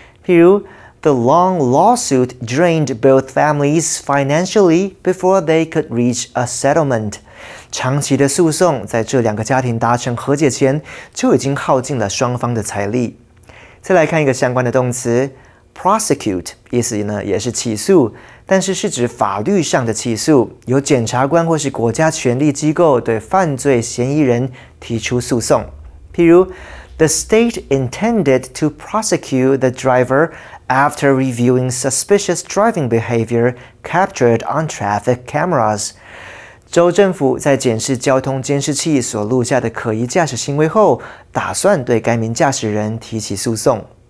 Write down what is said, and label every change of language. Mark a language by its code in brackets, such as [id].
[zh] 譬如 [en] The long lawsuit drained both families financially before they could reach a settlement. [zh] 长期的诉讼在这两个家庭达成和解前就已经耗尽了双方的财力。再来看一个相关的动词 prosecute， 意思呢也是起诉，但是是指法律上的起诉，由检察官或是国家权力机构对犯罪嫌疑人提出诉讼。譬如 [en] The state intended to prosecute the driver. After reviewing suspicious driving behavior captured on traffic cameras, [zh] 州政府在检视交通监视器所录下的可疑驾驶行为后，打算对该名驾驶人提起诉讼。